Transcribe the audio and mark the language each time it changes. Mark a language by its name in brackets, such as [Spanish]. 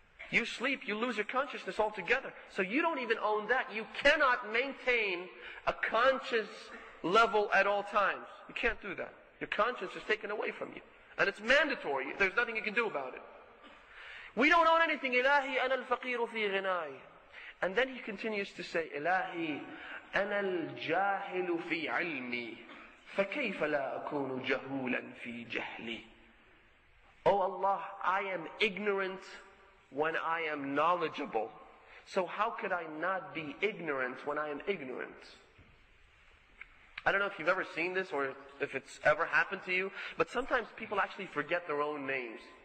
[English] You sleep, you lose your consciousness altogether. So you don't even own that. You cannot maintain a conscious level at all times. You can't do that. Your conscience is taken away from you. And it's mandatory. There's nothing you can do about it. We don't own anything. [Arabic] إِلَهِ أَنَا الْفَقِيرُ فِي غِنَايِ. [English] And then he continues to say, [Arabic] إِلَهِ أَنَا الْجَاهِلُ فِي عِلْمِي فَكَيْفَ لَا أَكُونُ جَهُولًا فِي جَهْلِي. [English] Oh Allah, I am ignorant when I am knowledgeable. So how could I not be ignorant when I am ignorant? I don't know if you've ever seen this or if it's ever happened to you, but sometimes people actually forget their own names.